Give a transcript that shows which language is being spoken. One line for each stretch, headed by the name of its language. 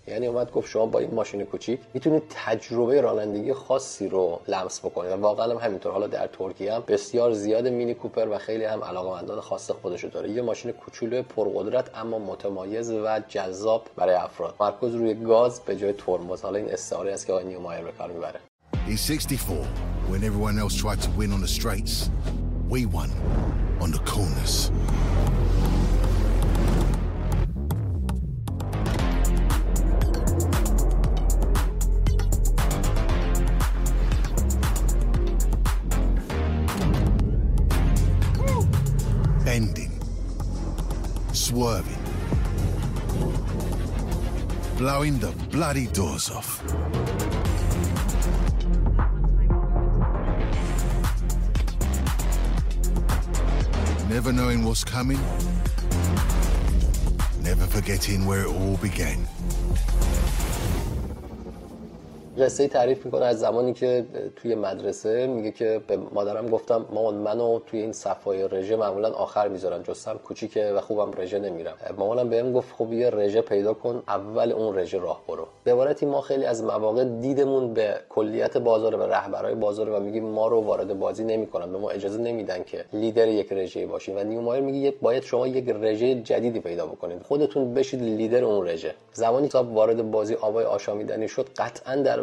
Persian: یعنی اومد گفت شما با این ماشین کوچیک میتونید تجربه رانندگی خاصی رو لمس بکنید. و واقعا هم همینطور، حالا در ترکیه هم بسیار زیاد مینی کوپر و خیلی هم علاقمندان خاص خودشو داره. یه ماشین کوچولو پرقدرت اما متمایز و جذاب برای افراد، مرکز روی گاز به جای ترمز. حالا این استعاره است که آقای نیومایر به کار میبره.
English: He's 64 when everyone else tried to win on the straights, we won on the corners. Swerving, blowing the bloody doors off. Never knowing what's coming, never forgetting where it all began.
Persian: قصه ای تعریف میکنه از زمانی که توی مدرسه، میگه که به مادرم گفتم مامان منو توی این صفای رژه معمولا آخر میذارن، جسم کوچیکه و خوبم رژه نمیرم. مامانم بهم گفت خب یه رژه پیدا کن، اول اون رژه راه برو. به عبارتی ما خیلی از مواقع دیدمون به کلیت بازار و رهبرای بازار و میگیم ما رو وارد بازی نمیکنن، به ما اجازه نمیدن که لیدر یک رژه باشیم. و نیومایر میگه باید شما یک رژه جدیدی پیدا بکنید، خودتون بشید لیدر اون رژه. زمانی که وارد بازی آبای آشامیدنی شد، قطعا در